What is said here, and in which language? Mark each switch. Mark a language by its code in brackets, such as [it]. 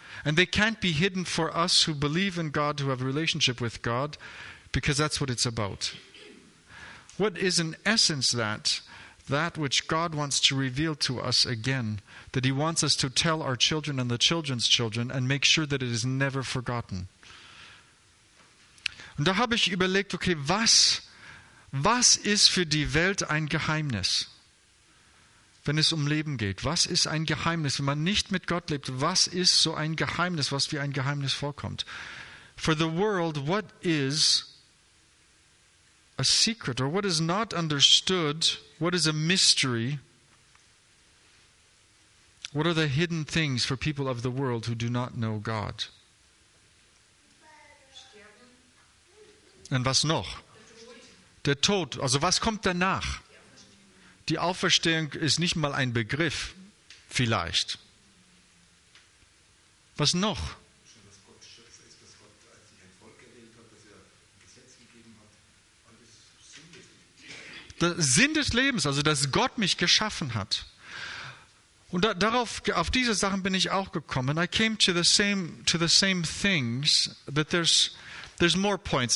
[en] And they can't be hidden for us who believe in God, who have a relationship with God, because that's what it's about. What is in essence that which God wants to reveal to us again, that he wants us to tell our children and the children's children and make sure that it is never forgotten? [de] Und da habe ich überlegt, okay, was ist für die Welt ein Geheimnis? Wenn es um Leben geht, was ist ein Geheimnis? Wenn man nicht mit Gott lebt, was ist so ein Geheimnis, was wie ein Geheimnis vorkommt? [en] For the world, what is a secret or what is not understood, what is a mystery? What are the hidden things for people of the world who do not know God? [de] Und was noch? Der Tod. Also was kommt danach? Die Auferstehung ist nicht mal ein Begriff, vielleicht. Was noch? Der Sinn des Lebens, also dass Gott mich geschaffen hat. Und auf diese Sachen bin ich auch gekommen. [en] I came to the same things, but there's more points.